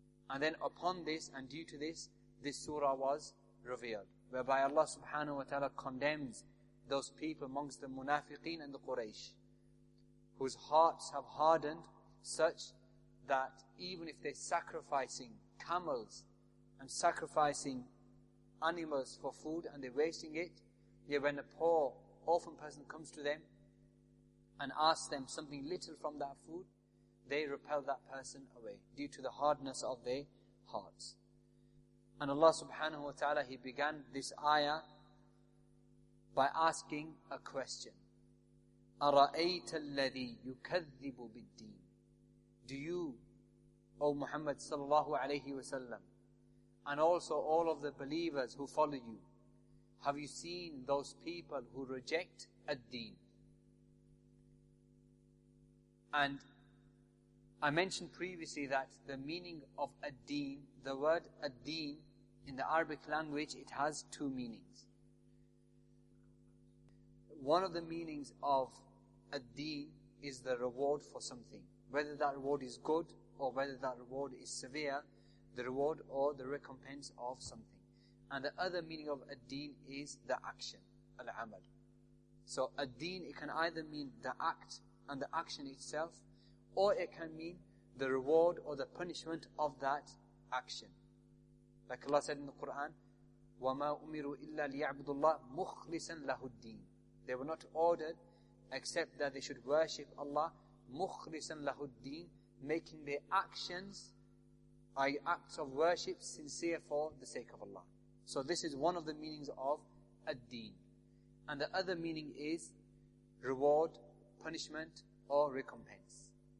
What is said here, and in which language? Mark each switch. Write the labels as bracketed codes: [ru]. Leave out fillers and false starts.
[en] And then upon this and due to this, this surah was revealed, whereby Allah subhanahu wa ta'ala condemns those people amongst the munafiqeen and the Quraysh, whose hearts have hardened such that even if they're sacrificing camels and sacrificing animals for food and they're wasting it, yet when a poor orphan person comes to them and asks them something little from that food, they repel that person away due to the hardness of their hearts. And Allah subhanahu wa ta'ala, He began this ayah by asking a question. [ar] أَرَأَيْتَ الَّذِي يُكَذِّبُ بِالدِّينِ, [en] do you O Muhammad sallallahu alayhi wa sallam, and also all of the believers who follow you, have you seen those people who reject ad-deen? And I mentioned previously that the meaning of ad-deen, the word ad-deen in the Arabic language, it has two meanings. One of the meanings of ad-deen is the reward for something. Whether that reward is good or whether that reward is severe, the reward or the recompense of something. And the other meaning of ad-deen is the action, al-amal. So ad-deen, it can either mean the act and the action itself, or it can mean the reward or the punishment of that action. Like Allah said in the Quran, [ar] وَمَا أُمِرُوا إِلَّا لِيَعْبُدُ اللَّهِ مُخْلِسًا لَهُ الدِّينِ. [en] They were not ordered except that they should worship Allah [ar] مُخْلِسًا لَهُ الدِّينِ, [en] making their actions, i.e. acts of worship, sincere for the sake of Allah. So this is one of the meanings of ad-deen. And the other meaning is reward, punishment, or recompense.